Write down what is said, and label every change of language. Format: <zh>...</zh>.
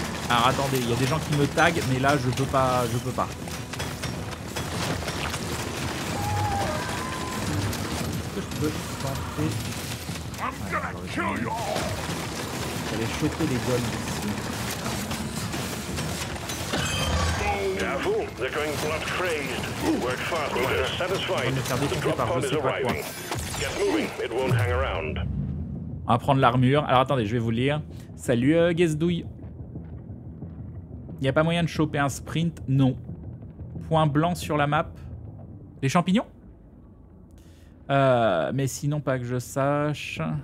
<fr>Alors attendez, il y a des gens qui me taguent, mais là je peux pas, je peux pas. Est-ce que je peux tenter? J'allais choper les golds ici.</fr> <en>Careful, they're going blood crazed. Work fast, but they're satisfied.</en> <fr>On va me faire détruire par je sais pas quoi.</fr> <en>Get moving, it won't hang around.</en> <fr>On va prendre l'armure. Alors attendez, je vais vous lire. Salut Guesdouille. Il n'y a pas moyen de choper un sprint? Non. Point blanc sur la map. Les champignons? Mais sinon, pas que je sache.</fr>